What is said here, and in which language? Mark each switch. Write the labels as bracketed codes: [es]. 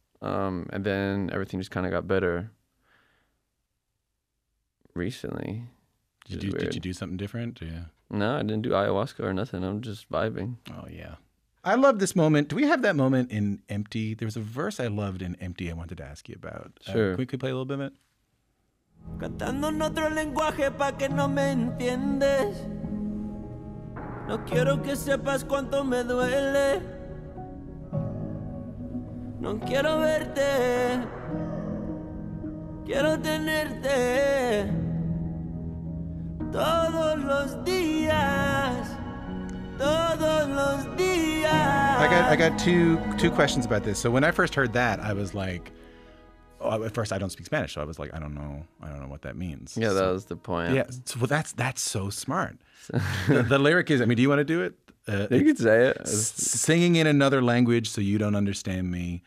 [en] And then everything just kind of got better recently. Did you do something different? Yeah. No, I didn't do ayahuasca or nothing. I'm just vibing. Oh, yeah. I love this moment. Do we have that moment in Empty? There was a verse I loved in Empty I wanted to ask you about. Sure. Can we play a little bit of it? [es] Cantando en otro lenguaje pa' que no me entiendes. No quiero que sepas cuánto me duele. No quiero verte. Quiero tenerte todos los días, todos los días. [en] I got two questions about this. So when I first heard that, I was like, oh, at first I don't speak Spanish, so I was like, I don't know what that means. Yeah, so, that was the point. Yeah, so, well, that's so smart. the lyric is, I mean, do you want to do it? You can say it. Singing in another language so you don't understand me.